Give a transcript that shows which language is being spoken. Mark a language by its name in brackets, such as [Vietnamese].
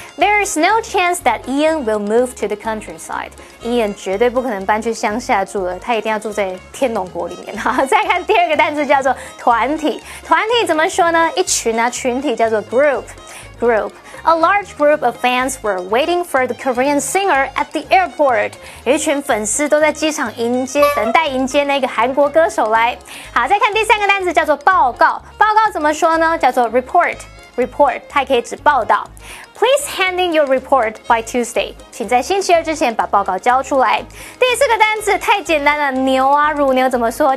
[English] There is no chance that Ian will move to the countryside. [Chinese] Ian 绝对不可能搬去乡下住了，他一定要住在天龙国里面。好，再看第二个单字叫做团体。团体怎么说呢？一群啊，群体叫做 group， group。 [English] A large group of fans were waiting for the Korean singer at the airport. [Chinese] 有一群粉丝都在机场迎接，等待迎接那个韩国歌手来。好，再看第三个单词叫做报告。报告怎么说呢？叫做 report。report， 它也可以指报道。 [English] Please hand in your report by Tuesday. [Chinese] 请在星期二之前把报告交出来。第四个单词太简单了，牛啊，乳牛怎么说？